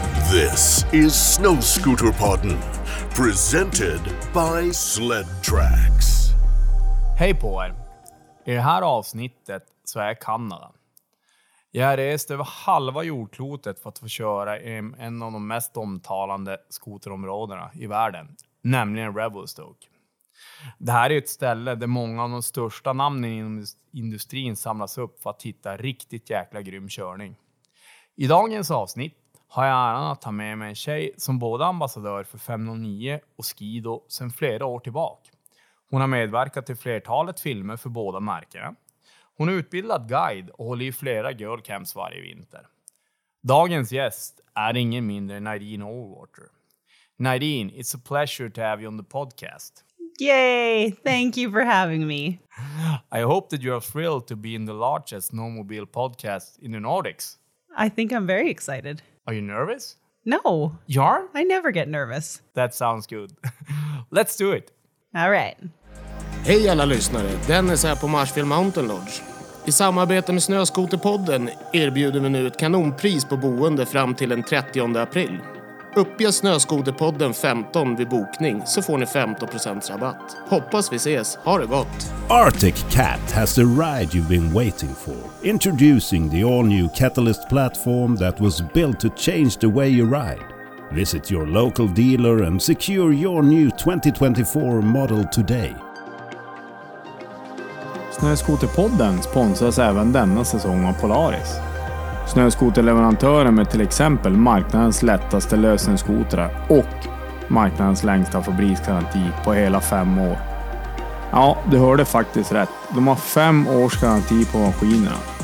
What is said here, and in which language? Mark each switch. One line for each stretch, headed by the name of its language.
English: This is Snow Scooter Podden, presented by Sled Tracks.
Swedish: Hej på er. I det här avsnittet så är Kanada. Jag har rest över halva jordklotet för att få köra i en av de mest omtalande skoterområdena i världen, nämligen Revelstoke. Det här är ett ställe där många av de största namnen inom industrin samlas upp för att hitta riktigt jäkla grym körning. I dagens avsnitt har jag äran att ta med mig en tjej som både ambassadör för 509 och Skido sedan flera år tillbaka. Hon har medverkat i flertalet filmer för båda märkena. Hon är utbildad guide och håller i flera girl camps varje vinter. Dagens gäst är ingen mindre än Nairine Overwater.
English: Nairine, it's a pleasure to have you on the podcast. Yay, thank you for having me. I hope that you're thrilled to be in the largest snowmobile podcast in the Nordics. I think I'm very excited. Are you nervous? No. You aren't? I never get nervous. That sounds good. Let's do it. All right.
Swedish: Hej alla lyssnare. Dennis här på Marshfield Mountain Lodge. I samarbete med Snöskoterpodden erbjuder vi nu ett kanonpris på boende fram till den 30 april. Uppge Snöskoterpodden 15 vid bokning så får ni 15% rabatt. Hoppas vi ses. Ha det gott.
English: Arctic Cat has the ride you've been waiting for. Introducing the all-new Catalyst platform that was built to change the way you ride. Visit your local dealer and secure your new 2024 model today.
Swedish: Snöskoterpodden sponsras även denna säsong av Polaris. Snöskoterleverantören med till exempel marknadens lättaste lösenskotrar och marknadens längsta fabriksgaranti på hela 5 år. Ja, du hörde faktiskt rätt. De har 5 års garanti på maskinerna.